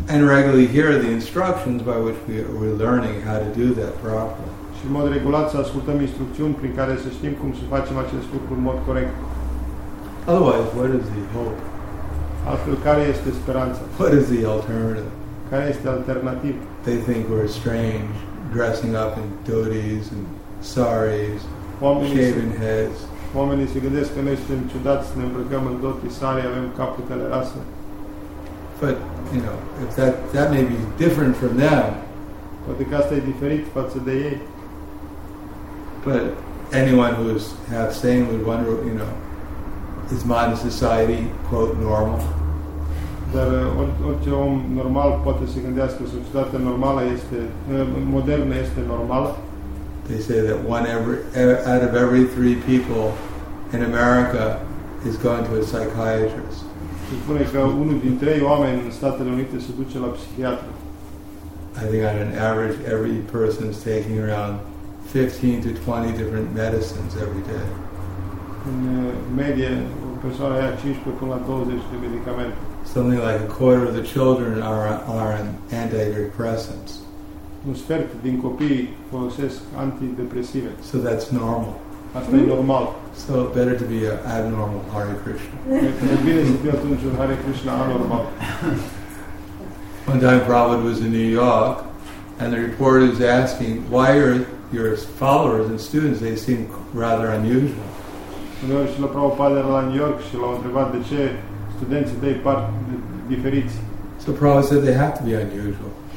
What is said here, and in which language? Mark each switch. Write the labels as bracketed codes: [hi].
[en] And regularly hear the instructions by which we're learning how to do that properly. [ro] Și în mod regulat să ascultăm instrucțiuni prin care să știm cum să facem acest lucru în mod corect. [en] Otherwise, what is the hope? [ro] Altfel, care este speranța? [en] What is the alternative? [ro] Care este alternativa? [en] They think we're strange, dressing up in dhotis and saris, shaven heads. [ro] Oamenii se gândesc că noi suntem ciudați, ne îmbrăcăm în dhoti, sari, avem capetele rase. [en] But, you know, if that may be different from them. [ro] Poate că asta e diferit față de ei. [en] But anyone who is half sane would wonder, you know, is modern society, quote, normal? [ro] Dar orice om normal poate să gândească societatea normală este modernă, este normală. [en] They say that out of every three people in America is going to a psychiatrist. [ro] Se spune că unul din trei oameni în Statele Unite se duce la psihiatru. [en] I think on an average every person is taking around 15 to 20 different medicines every day. [ro] În medie, o persoană ia 15 până la 20 de medicamente. [en] Something like a quarter of the children are on antidepressants. [ro] Un sfert din copii folosesc antidepresive. [en] So that's normal. [ro] Asta e normal. [en] So better to be an abnormal Hare Krishna. [ro] E bine să fie atunci un Hare Krishna anormal. [en] One time Prabhupada was in New York and the reporter is asking, why are your followers and students, they seem rather unusual. [ro] Uneori și la Prabhupada era la New York și l-au întrebat de ce studenții tăi par diferiți. [en] So Prabhupada said they have to be unusual.